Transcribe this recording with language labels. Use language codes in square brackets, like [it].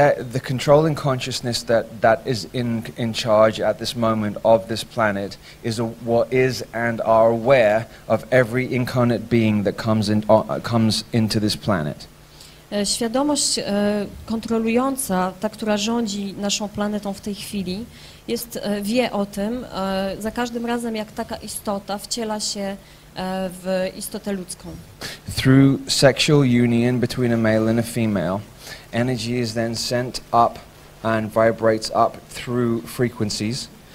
[en] The controlling consciousness that is in charge at this moment of this planet is what is and are aware of every incarnate being that comes into this planet. [pl] Świadomość kontrolująca, ta, która rządzi naszą planetą w tej chwili, wie o tym za każdym razem, jak taka istota wciela się w istotę ludzką. [en] Through sexual union between a male and a female, energy is then sent up and vibrates up through frequencies.